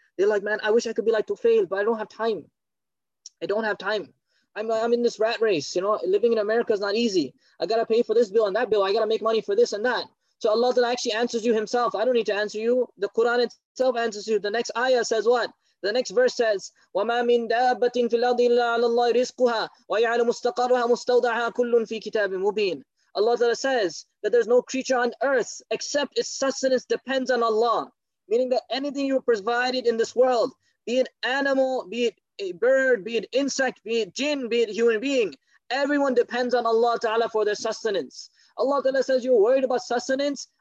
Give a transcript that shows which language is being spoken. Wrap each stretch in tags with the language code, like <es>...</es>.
<en>They're like, man, I wish I could be like Tufail, but I don't have time. I don't have time. I'm in this rat race, you know. Living in America is not easy. I got to pay for this bill and that bill. I got to make money for this and that. So Allah actually answers you himself. I don't need to answer you. The Quran itself answers you. The next ayah says what?</en> <ar>The next verse says, وَمَا مِن دَابَّةٍ فِي الْأَرْضِ إِلَّا عَلَى اللَّهِ رِزْقُهَا وَيَعْلَمُ مُسْتَقَرُهَا مُسْتَوْدَعَهَا كُلٌّ فِي كِتَابٍ مُبِينٍ.</ar> <en>Allah Ta'ala says that there's no creature on earth except its sustenance depends on Allah. Meaning that anything you provided in this world, be it animal, be it a bird, be it insect, be it jinn, be it human being, Everyone depends on Allah Ta'ala for their sustenance. Allah Ta'ala says, you're worried about sustenance?</en>